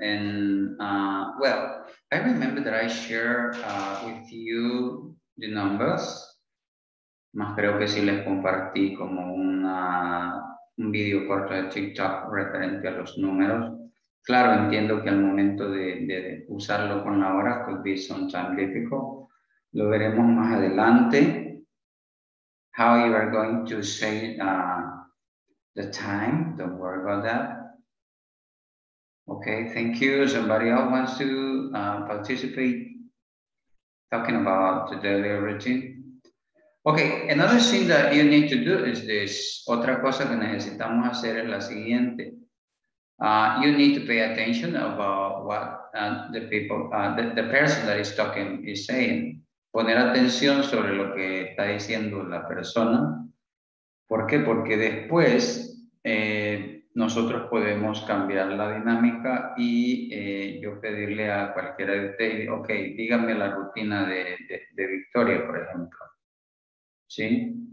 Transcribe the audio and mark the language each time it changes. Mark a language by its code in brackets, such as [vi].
[en] And well, I remember that I shared with you the numbers. [es] Más creo que sí les compartí como un video corto de TikTok referente a los números. Claro, entiendo que al momento de usarlo con la hora [en] could be sometimes difficult. [es] Lo veremos más adelante. [en] How you are going to say the time, don't worry about that. Okay, thank you. Somebody else wants to participate talking about the daily routine. Okay, another thing that you need to do is this. [es] Otra cosa que necesitamos hacer es la siguiente. [en] You need to pay attention about what the people, the person that is talking is saying. [es] Poner atención sobre lo que está diciendo la persona. ¿Por qué? Porque después nosotros podemos cambiar la dinámica y yo pedirle a cualquiera de ustedes, ok, díganme la rutina de Victoria, por ejemplo. ¿Sí?